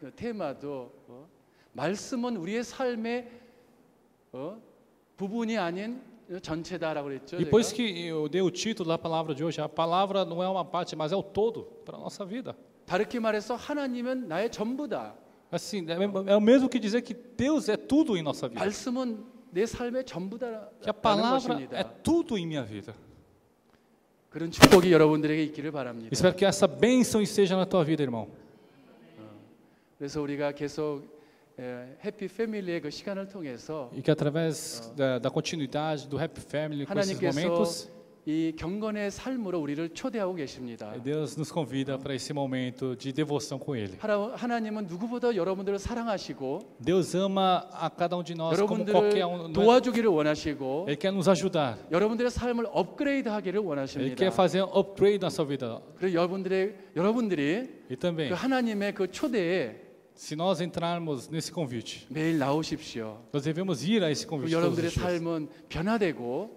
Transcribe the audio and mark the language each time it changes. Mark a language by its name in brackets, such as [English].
[Korean] 테마도 말씀은 우리의 삶의 부분이 아닌 전체다라고 그랬죠. [Portuguese] E por isso que eu dei o título da palavra de hoje. A palavra não é uma parte, mas é o todo para nossa vida. [Korean] 다르게 말해서 하나님은 나의 전부다. [Portuguese] Assim, é o mesmo que dizer que Deus é tudo em nossa vida. [Korean] 말씀은 내 삶의 전부다라는 것입니다. [Portuguese] Que a palavra é tudo em minha vida. [Korean] 그런 축복이 여러분들에게 있기를 바랍니다. [Portuguese] Espero que essa bênção esteja na tua vida, irmão. [Korean] 그래서 우리가 계속 해피 패밀리의 그 시간을 통해서 이게 [Portuguese] através da continuidade do Happy Family com esses momentos [Korean] 이 경건의 삶으로 우리를 초대하고 계십니다. [Portuguese] Deus nos convida para esse momento de devoção com ele. [Korean] 하나님은 누구보다 여러분들을 사랑하시고 [Portuguese] Deus ama a cada um de nós como qualquer um [Korean] 도와주기를 원하시고 [Portuguese] Ele quer nos ajudar. [Korean] 여러분들의 삶을 업그레이드 하기를 원하십니다. [Portuguese] Ele quer fazer um upgrade na sua vida. [Korean] 그리고 여러분들이 [Portuguese] E também [Korean] 그 하나님의 그 초대에 [Portuguese] Se nós entrarmos nesse convite, [Korean] 매일 나오십시오. [Portuguese] Nós devemos ir a esse convite. [Korean] 여러분들의 삶은 변화되고,